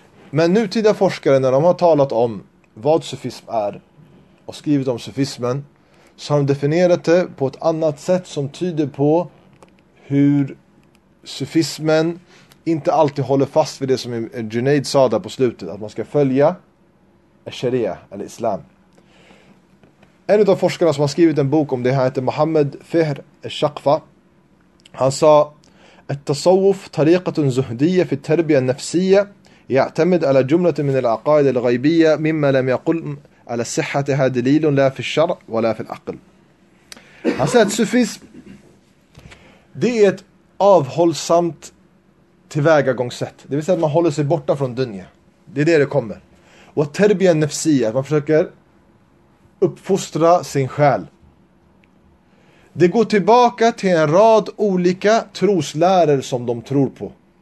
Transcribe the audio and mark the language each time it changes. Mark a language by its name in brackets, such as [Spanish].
[Swedish] Men nutida forskare, när de har talat om vad sufism är och skrivit om sufismen, så har de definierat det på ett annat sätt som tyder på hur sufismen inte alltid håller fast vid det som Junaid sa där på slutet, att man ska följa sharia eller islam. En av forskarna som har skrivit en bok om det här heter Mohammed Fehr Shakfa. Han sa ett [Arabic] tasawuf tariqatun zuhdiyya fi tarbiya nafsiyya يعتمد على جملة من العقائد الغيبية مما لم يقل على صحتها دليل لا في الشرع ولا في العقل. [Swedish] Han säger att sufism, det är ett avhållsamt tillvägagångssätt. Det vill säga att man håller sig borta från dunja. Det är det kommer. Och terbiya nafsiyya, man försöker uppfostra sin själ. Det går tillbaka till en rad olika trosläror som de tror på.